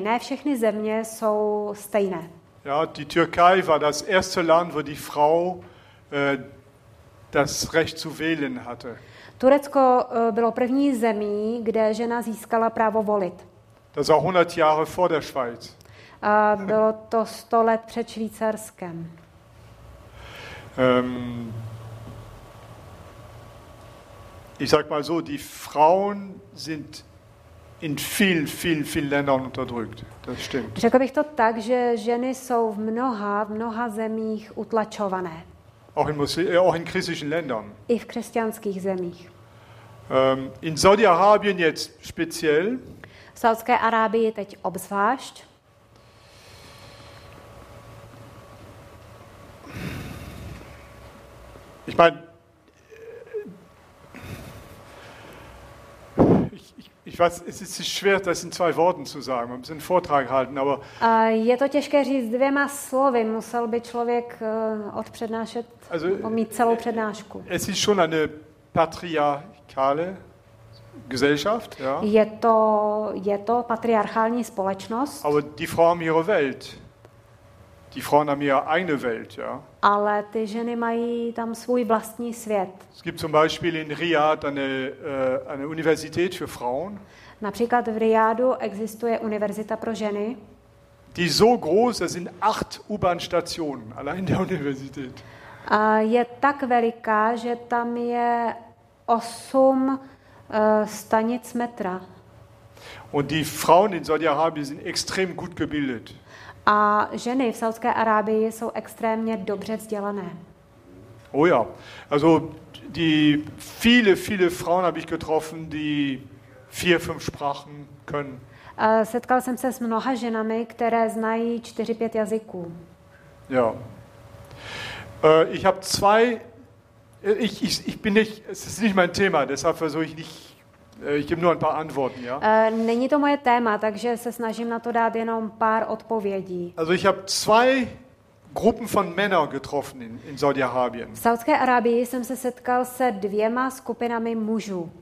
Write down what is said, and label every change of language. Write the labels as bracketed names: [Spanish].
[Czech] Ne všechny země jsou stejné. [German] Ja, die Türkei war das erste Land, wo die Frau das Recht zu wählen hatte. [Czech] Turecko bylo první zemí, kde žena získala právo volit. [German] Das war 100 Jahre vor der Schweiz. [Czech] Bylo to 100 let před Švýcarskem. [German] Ich sag mal so, die Frauen sind in vielen, vielen, vielen Ländern unterdrückt. Das stimmt. [Czech] Řekl bych to tak, že ženy jsou v mnoha zemích utlačované. [German] Auch in christlichen Ländern. [Czech] I v křesťanských zemích. [German] In Saudi-Arabien jetzt speziell. [Czech] V Saudské Arábii teď obzvlášť. [German] Ich meine, ich weiß, es ist schwer, das in zwei Worten zu sagen. Man muss einen Vortrag halten, aber [Czech] je to těžké říct dvěma slovy, musel by člověk odpřednášet, also, mít celou přednášku. [German] Es ist schon eine patriarchale Gesellschaft, ja. [Czech] Je to patriarchální společnost. [German] Aber die Frauen haben ihre Welt. Die Frauen haben ihre eigene Welt, ja. [Czech] Ale ty ženy mají tam svůj vlastní svět. [German] Es gibt zum Beispiel in Riyadh eine Universität für Frauen. [Czech] Například v Riyadu existuje univerzita pro ženy. [German] Die so groß, das sind 8 U-Bahn-Stationen allein der Universität. [Czech] A je tak veliká, že tam je 8 stanic metra. [German] Und die Frauen in Saudi-Arabien sind extrem gut gebildet. [Czech] A ženy v Saudské Arábii jsou extrémně dobře vzdělané. [German] Oh ja. Also die viele viele Frauen habe ich getroffen, die 4-5 Sprachen können. [Czech] Setkal jsem se s mnoha ženami, které znají 4-5 jazyků. [German] Ja. Ich habe zwei ich bin nicht, es ist nicht mein Thema, deshalb versuche ich nicht. Ich gebe nur ein paar Antworten, ja? [Czech] Není to moje téma, takže se snažím na to dát jenom pár odpovědí. [German] Also ich habe zwei Gruppen von Männern getroffen in Saudi-Arabien. [Czech] V Saudské Arábii jsem se setkal se dvěma skupinami mužů.